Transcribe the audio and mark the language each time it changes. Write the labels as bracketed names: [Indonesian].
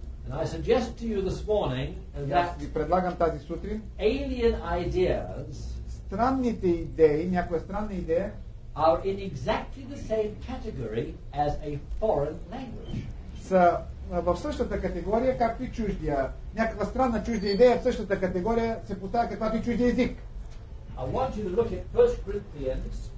[English] And I suggest to you this morning that [Bulgarian] предлагам тази сутрин [English] alien ideas, [Bulgarian] странните идеи, някоя странна идея, [English] are in exactly the same category as a foreign language. [Bulgarian] Са в същата категория, както и чуждия. Някаква странна чужда идея в същата категория се поставя каквато и чужди език. [English] I want you to look at 1 Corinthians.